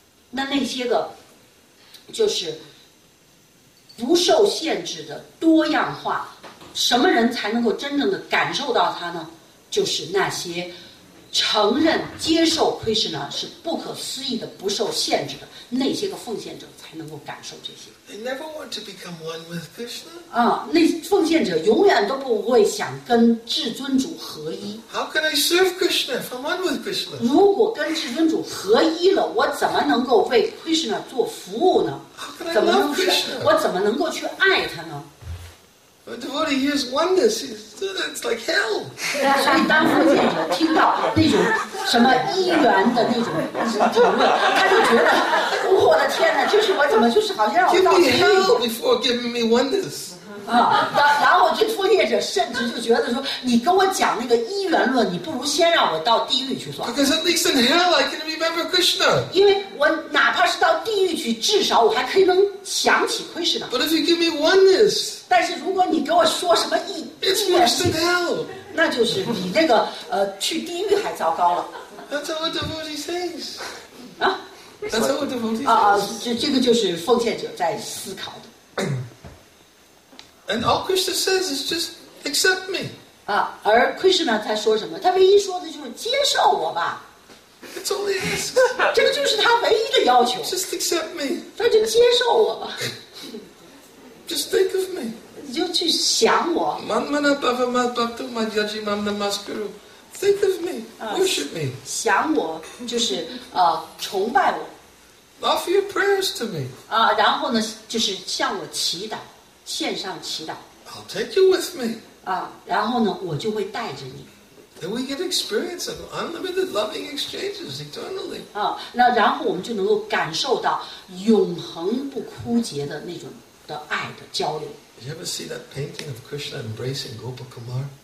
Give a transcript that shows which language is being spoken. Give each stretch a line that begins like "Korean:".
Chinese: 那些个就是不受限制的多样化，什么人才能够真正的感受到它呢？就是那些承认、接受 Krishna 是不可思议的、不受限制的那些个奉献者才能够感受这些。
English: They never want to become one with Krishna.
Chinese: 啊，那奉献者永远都不会想跟至尊主合一。
English: How can I serve Krishna if I'm one with Krishna?
Chinese: 如果跟至尊主合一了，我怎么能够为 Krishna 做服务呢？怎么能够去？我怎么能够去爱他呢
English: ？A devotee hears oneness, it's like hell.
Chinese: 所以当奉献者听到那种什么一元的那种讨论，他就觉得，我的天哪，就是我怎么就是好像让我到地狱
English: ？Give me hell before giving me oneness.
Chinese: 啊，然后这奉献者甚至就觉得说，你跟我讲那个一元论，你不如先让我到地狱去算。
English: Because at least in hell, I can remember Krishna.
Chinese: 因为我哪怕是到地狱去，至少我还可以能想起 Krishna。
English: But if you give me oneness,
Chinese: 但是如果你给我说什么一
English: ，It's worse than hell.
Chinese: 那就是比那个去地狱还糟糕了。
English: That's how a devotee thinks. 啊，That's how a devotee thinks.
Chinese: 啊，这个就是奉献者在思考的。
English: And all Krishna says is just accept me.
Chinese: 啊，而 Krishna 他说什么？他唯一说的就是接受我吧。
English: It's only asking.
Chinese: 这个就是他唯一的要求。
English: Just accept me.
Chinese: 他就接受我吧。
English: Just think of me.
Chinese: 你就去想我。
Sanskrit: Manmana bhavamad bhaktu madhyaji mamna maskuru.
English: Think of me. Worship me.
Chinese: 想我就是崇拜我。
English: Offer your prayers to me.
Chinese: 啊，然后呢，就是向我祈祷。献上祈祷。
English: I'll take you with me.
Chinese: 啊，然后呢，我就会带着你。
English: Then we get experience of unlimited loving exchanges eternally.
Chinese: 啊，那然后我们就能够感受到永恒不枯竭的那种的爱的交流。
English: You ever see that painting of Krishna embracing Gopa Kumar?